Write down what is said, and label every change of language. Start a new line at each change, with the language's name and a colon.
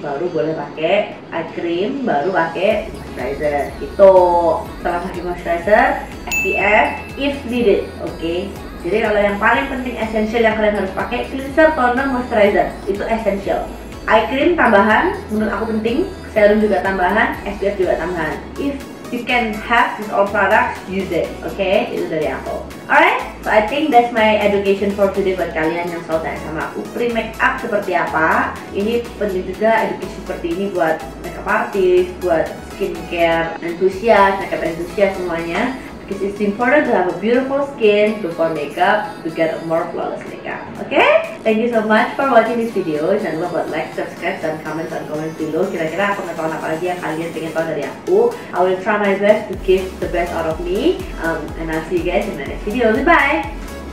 Indonesian: Baru boleh pakai eye cream, baru pakai moisturizer. Itu setelah pakai moisturizer, SPF
English: if needed,
Indonesian: oke. Jadi kalau yang paling penting esensial yang kalian harus pakai cleanser, toner, moisturizer itu esensial. Eye cream tambahan menurut aku penting, serum juga tambahan, SPF juga tambahan.
English: If you can have this all products, use it, oke?
Indonesian: Itu dari aku.
English: Alright, so I think that's my education for today
Indonesian: buat kalian yang selalu tanya sama aku pre make up seperti apa. Ini penting juga education seperti ini buat makeup artist, buat skincare enthusiast, makeup enthusiast semuanya.
English: Because it's important to have a beautiful skin before makeup to get a more flawless makeup. Okay? Thank you so much for watching this video.
Indonesian: Jangan lupa buat like, subscribe, dan comment dan komen below. Kira-kira aku ngetahuan apa lagi yang kalian pengen tahu dari aku.
English: I will try my best to give the best out of me. And I'll see you guys in my next video. Goodbye!